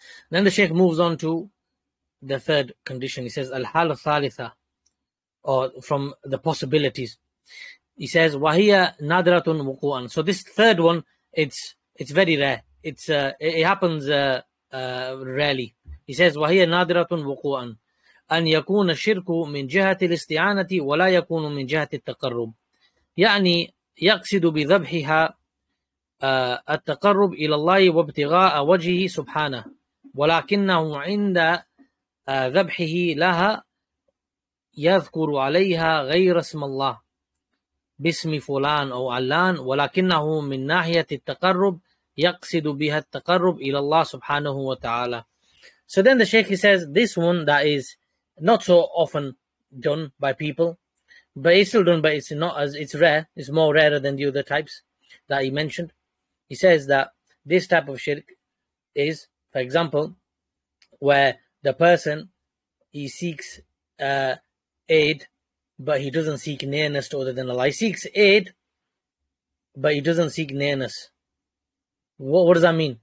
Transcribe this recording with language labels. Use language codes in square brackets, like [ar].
[en] Then the Shaykh moves on to the third condition. He says, [ar] Al-Hal Thalitha, [en] or from the possibilities. He says, [ar] Wahiya Nadratun Wuku'an. [en] So this third one, it's very rare. It happens rarely. He says, [ar] وَهِيَ نَادِرَةٌ وُقُوعًا أَنْ يَكُونَ الشِّرْكُ مِنْ جِهَةِ الْإِسْتِعَانَةِ وَلَا يَكُونُ مِنْ جِهَةِ التَّقَرُّبِ يعني يقصد بذبحها التقرب إلى الله وابتغاء وجهه سبحانه ولكنه عند ذبحه لها يذكر عليها غير اسم الله باسم فلان أو علان ولكنه من ناحية التقرب يقصد بها التقرب إلى الله سبحانه وتعالى. [en] So then the Shaykh, he says, this one that is not so often done by people, but it's still done, but it's not as, it's rare, it's more rarer than the other types that he mentioned. He says that this type of shirk is, for example, where the person, he seeks aid, but he doesn't seek nearness to other than Allah. He seeks aid, but he doesn't seek nearness. What does that mean?